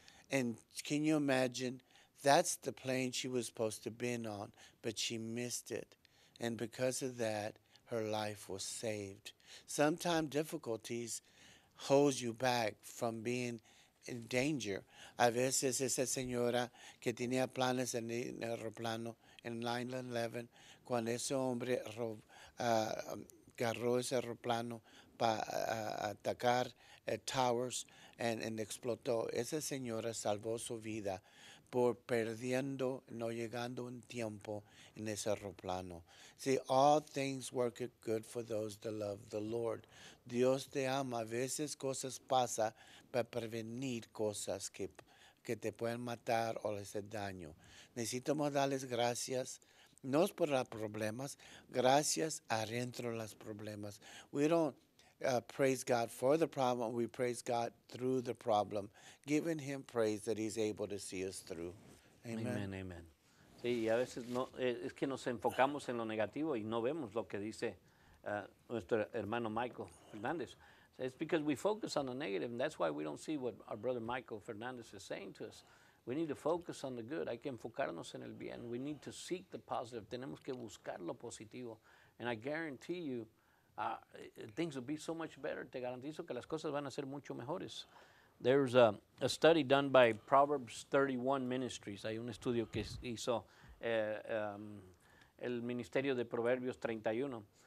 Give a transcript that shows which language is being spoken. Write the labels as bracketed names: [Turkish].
[English] And can you imagine? That's the plane she was supposed to be on, but she missed it. And because of that, her life was saved. Sometimes difficulties hold you back from being in danger. [Spanish] A veces esa señora que tenía planes en el aeroplano en 9/11, cuando ese hombre agarró ese aeroplano para atacar Towers and explotó, esa señora salvó su vida por perdiendo, no llegando un tiempo en ese aeroplano. [English] See, all things work good for those that love the Lord. [Spanish] Dios te ama. A veces cosas pasan para prevenir cosas que te pueden matar o les hacer daño. Necesitamos darles gracias, no es por los problemas, gracias adentro de los problemas. [English] We don't praise God for the problem, we praise God through the problem, giving Him praise that He's able to see us through. Amen. Amen, amen. [Spanish] Sí, y a veces no, es que nos enfocamos en lo negativo y no vemos lo que dice nuestro hermano Michael Fernández. [English] It's because we focus on the negative, and that's why we don't see what our brother Michael Fernandez is saying to us. We need to focus on the good. [Spanish] Hay que enfocarnos en el bien. [English] We need to seek the positive. [Spanish] Tenemos que buscar lo positivo. [English] And I guarantee you, things will be so much better. [Spanish] Te garantizo que las cosas van a ser mucho mejores. [English] There's a study done by Proverbs 31 Ministries. [Spanish] Hay un estudio que hizo el Ministerio de Proverbios 31.